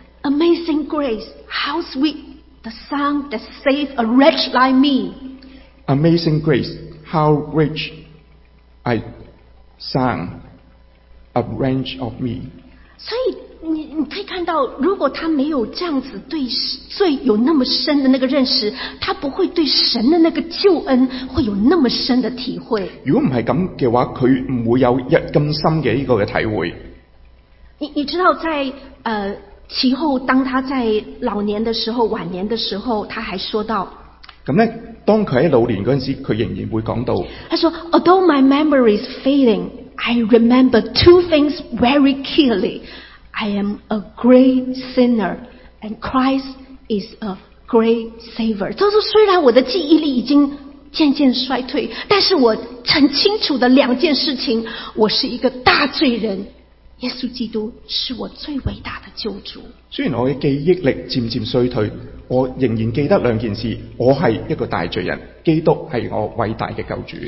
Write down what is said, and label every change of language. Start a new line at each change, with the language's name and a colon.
English: Amazing Grace, how sweet the sound that saved a wretch like me. Amazing Grace, how rich I sang a wretch of me.
Chinese: 所以你可以看到，如果他没有这样子对罪有那么深的那个认识，他不会对神的那个救恩会有那么深的体会。如果不是这样的话，他不会有这么深的一个体会。你知道在其后当他在老年的时候，晚年的时候，他还说到，当他在老年的时候，他仍然会讲到，他说
English: although my memory is failingI remember two things very clearly. I am a great sinner, and Christ is a great saver.
Chinese: 就是虽然我的记忆力已经渐渐衰退，但是我很清楚的两件事情：我是一个大罪人，耶稣基督是我最伟大的救主。虽然我的记忆力渐渐衰退，我仍然记得两件事，我是一个大罪人，基督是我伟大的救主。